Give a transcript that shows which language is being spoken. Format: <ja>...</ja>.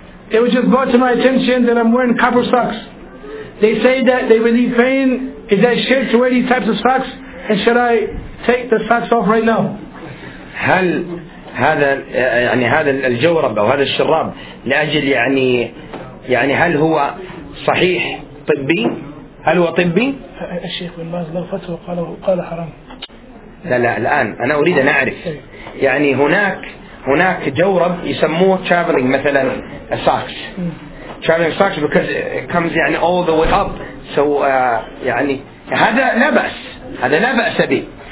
<en>It was just brought to my attention that I'm wearing copper socks. They say that they relieve pain. Is that shirk to wear these types of socks? And should I take the socks off right now?</en> <ar>هل هذا يعني هذا الجورب أو هذا الشراب لأجل يعني هل هو صحيح طبي؟ هل هو طبي؟ الشيخ بن باز له فتوى قال حرام. لا لا الآن أنا أريد أن أعرف يعني هناك جورب يسموه</ar> <en>traveling</en> <ar>مثلا</ar> <en>socks. Traveling socks because it comes يعني all the way up.</en> <ar>So يعني هذا لا بأس, هذا لا بأس به.</ar>